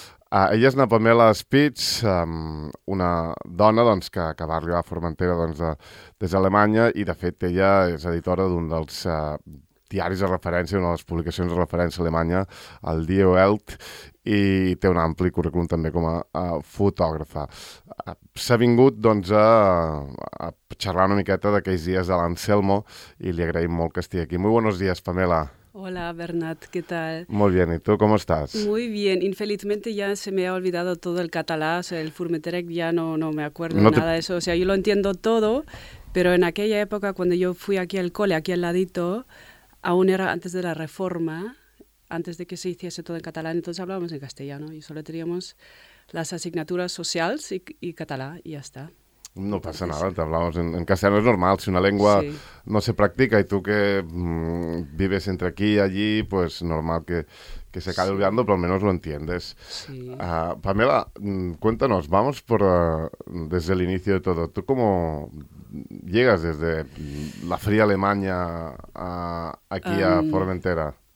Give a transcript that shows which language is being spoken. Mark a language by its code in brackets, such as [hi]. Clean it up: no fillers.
[ca] Ella és una Pamela Spitz, una dona que va arribar a Formentera des d'Alemanya, i de fet ella és editora d'un dels diaris de referència, una de les publicacions de referència a Alemanya, el Die Welt, i té un ampli currículum també com a fotògrafa. S'ha vingut a xerrar una miqueta d'aquells dies de l'Anselmo i li agraïm molt que estigui aquí. [es] Muy buenos días, Pamela. Hola, Bernat, ¿qué tal? Muy bien, ¿y tú cómo estás? Muy bien, infelizmente ya se me ha olvidado todo el catalán, o sea, el Formenterec ya no me acuerdo nada de eso, o sea, yo lo entiendo todo, pero en aquella época cuando yo fui aquí al cole, aquí al ladito, aún era antes de la reforma, antes de que se hiciese todo en catalán, entonces hablábamos en castellano y solo teníamos las asignaturas sociales y catalán y ya está. [ca] No passa nada, [es] t'hablamos en castellano, [ca] és normal, si una llengua sí. [es] No se practica i tu que vives entre aquí i allí, pues normal que se acabe olvidando, [ca] però almenys [es] lo entiendes. Sí. Pamela, cuéntanos, vamos por desde el inicio de todo. ¿Tú cómo llegas desde la fría Alemania aquí a Formentera?